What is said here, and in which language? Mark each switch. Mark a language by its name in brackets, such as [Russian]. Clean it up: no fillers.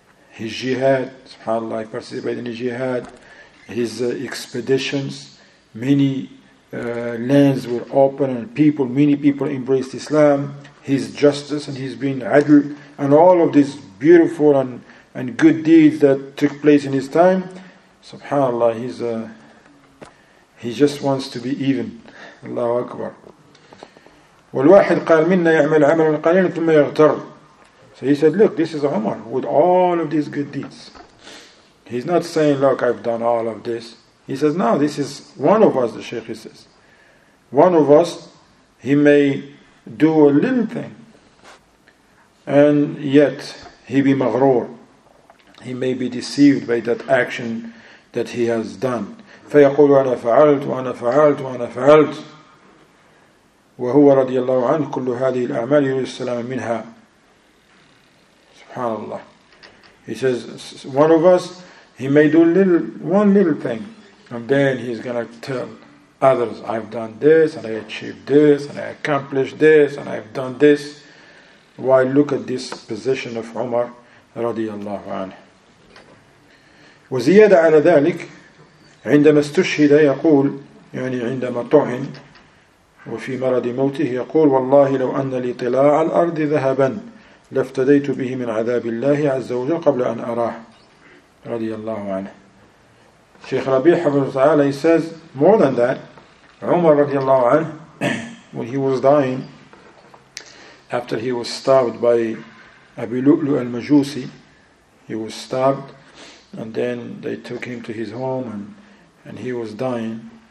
[English] his jihad, subhanAllah, he participated in his jihad, his expeditions, many lands were open and many people embraced Islam, his justice and his being adl, and all of these beautiful and good deeds that took place in his time, subhanAllah, he just wants to be even. Allahu Akbar. [Arabic] والواحد قال منا يعمل عملا قليلا ثم يغتر. [English] So he said, "Look, this is Umar with all of these good deeds." He's not saying, "Look, I've done all of this." He says, "No, this is one of us," the Shaykh says. "One of us, he may do a little thing, and yet he be maghroor. He may be deceived by that action that he has done." [Arabic] فيقول أنا فعلت وأنا فعلت وأنا فعلت. وهو رضي الله عنه كل هذه الأعمال يريد السلام منها. سبحان الله. [English] He says, one of us, he may do one little thing, and then he's going to tell others, I've done this, and I achieved this, and I accomplished this, and I've done this. Why, look at this position of Umar radiallahu anhu. [Arabic] وزيادة على ذلك عندما استشهد يقول يعني عندما طعن وفي مرض موته يقول والله لو أن لي طلاع الأرض ذهبا لافتديت به من عذاب الله عز وجل قبل أن أراه رضي الله عنه. [English] شيخ ربيع [Arabic] حفظه تعالى, [English] he says more than that, عمر رضي الله عنه when he was dying after he was stabbed by أبي لؤلؤ المجوسي, he was stabbed and then they took him to his home and he was dying